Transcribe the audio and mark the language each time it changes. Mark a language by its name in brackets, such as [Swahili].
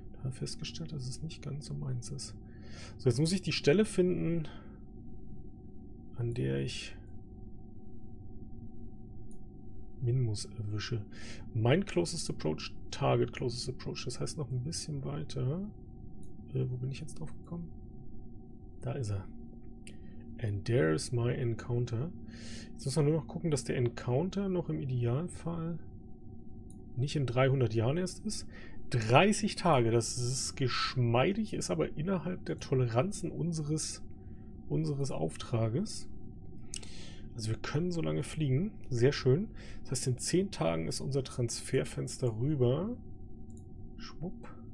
[German] Festgestellt, dass es nicht ganz so meins ist. So, jetzt muss ich die Stelle finden, an der ich Minmus erwische. Mein closest approach, target closest approach. Das heißt noch ein bisschen weiter. Wo bin ich jetzt drauf gekommen? Da ist er. [English] And there is my encounter. [German] Jetzt muss man nur noch gucken, dass der Encounter noch im Idealfall nicht in 300 Jahren erst ist. 30 Tage, das ist geschmeidig, ist aber innerhalb der Toleranzen unseres Auftrages. Also wir können so lange fliegen, sehr schön. Das heißt, in 10 Tagen ist unser Transferfenster rüber. Schwupp.